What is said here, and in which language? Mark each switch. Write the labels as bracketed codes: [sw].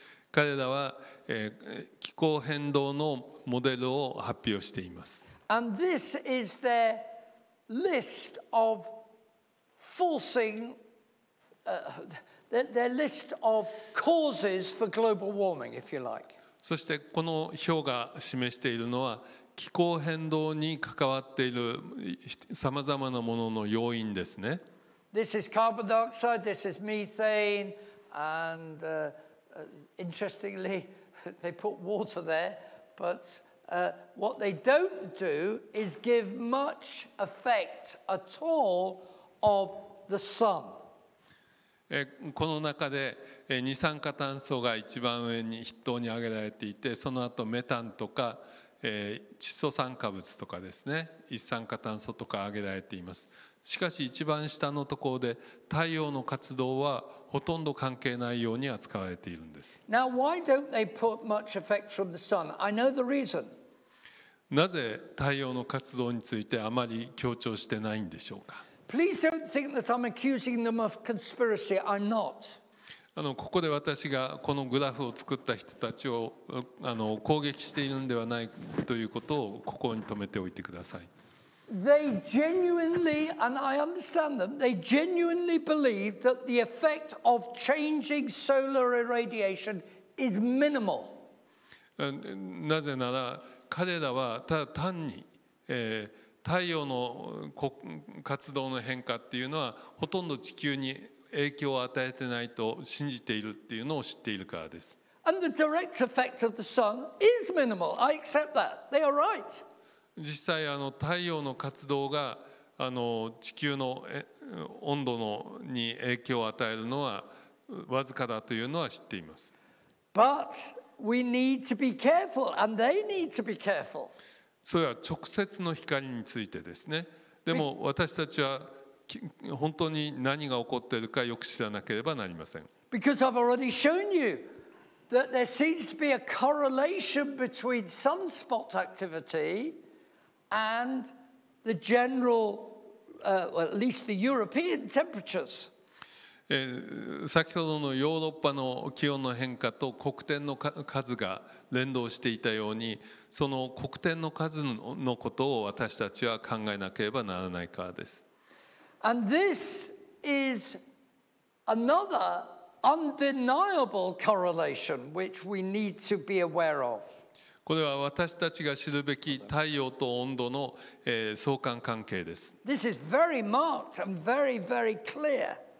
[ja] 彼らは気候変動のモデルを発表しています。 [en] And this is their list of forcing, their list of causes for global warming, if you like. [ja] そしてこの表が示しているのは気候変動に関わっているさまざまなものの要因ですね。 [en] This is carbon dioxide, this is methane, and interestingly, they put water there, but what they don't do is give much effect at all of the sun. [ja] この中で二酸化炭素が一番上に筆頭に挙げられていて、その後メタンとか窒素酸化物とかですね、一酸化炭素とか挙げられています。しかし一番下のところで太陽の活動はほとんど関係ないように扱われているんです。 [en] Now, why don't they put much effect from the sun? I know the reason. [ja] なぜ太陽の活動についてあまり強調してないんでしょうか。 [en] Please don't think that I'm accusing them of conspiracy. I'm not. [ja] ここで私がこのグラフを作った人たちを攻撃しているのではないということをここに留めておいてください。 [en] They genuinely, and I understand them, they genuinely believe that the effect of changing solar irradiation is minimal. [ja] なぜなら彼らはただ単に、太陽の活動の変化っていうのはほとんど地球に影響を与えてないと信じているっていうのを知っているからです。 [en] And the direct effect of the sun is minimal. I accept that. They are right. [ja] 実際太陽の活動が地球の温度のに影響を与えるのはわずかだというのは知っています。 [en] But we need to be careful, and they need to be careful. [ja] それは直接の光についてですね。でも私たちは本当に何が起こっているかよく知らなければなりません。 [en] Because I've already shown you that there seems to be a correlation between sunspot activityand the general, well, at least the European temperatures. [ja] 先ほどのヨーロッパの気温の変化と黒点の数が連動していたように、その黒点の数のことを私たちは考えなければならないからです。 [en] And this is another undeniable correlation which we need to be aware of. [ja] これは私たちが知るべき太陽と温度の相関関係です。 [en] This is very marked and very, very clear.